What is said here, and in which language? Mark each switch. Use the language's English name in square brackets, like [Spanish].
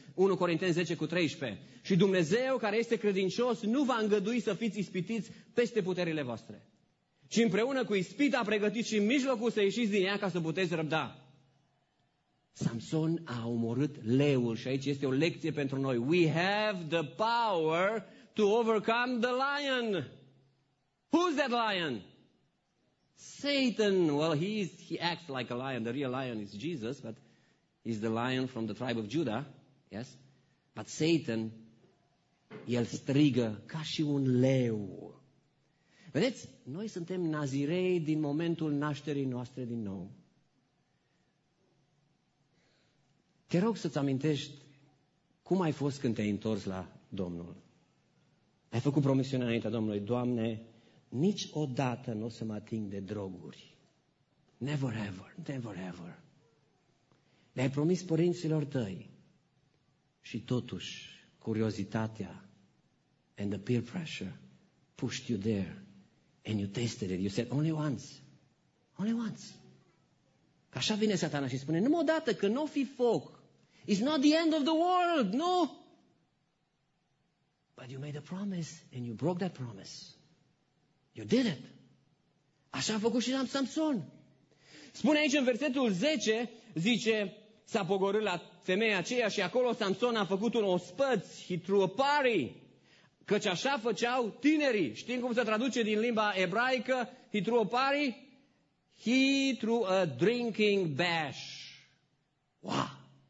[Romanian] 1 Corinteni 10:13. Și Dumnezeu, care este credincios, nu va îngădui să fiți ispitiți peste puterile voastre. Și împreună cu ispita a pregătit și mijlocul să ieșiți din ea ca să puteți răbda. Samson a omorât leul și aici este o lecție pentru noi. [English] We have the power to overcome the lion. Who's that lion? Satan. Well, he acts like a lion. The real lion is Jesus, but he's the lion from the tribe of Judah. Yes? [Romanian] But Satan, el strigă ca și un leu. Vedeți, noi suntem nazirei din momentul nașterii noastre din nou. Te rog să-ți amintești cum ai fost când te-ai întors la Domnul. Ai făcut promisiunea înaintea Domnului, Doamne, niciodată nu o să mă ating de droguri. [English] Never ever, never ever. [Romanian] Le-ai promis părinților tăi și totuși curiozitatea [English] and the peer pressure pushed you there. And you tasted it. You said, only once. Only once. [Romanian] Că așa vine satana și spune, numai o dată, că n-o fi foc. [English] It's not the end of the world, no. But you made a promise and you broke that promise. You did it. [Romanian] Așa a făcut și Samson. Spune aici în versetul 10, zice, s-a pogorât la femeia aceea și acolo Samson a făcut un ospăț. [English] He threw a party. [Romanian] Căci așa făceau tinerii. Știm cum se traduce din limba ebraică? [English] He threw a party. He threw a drinking bash. Wow!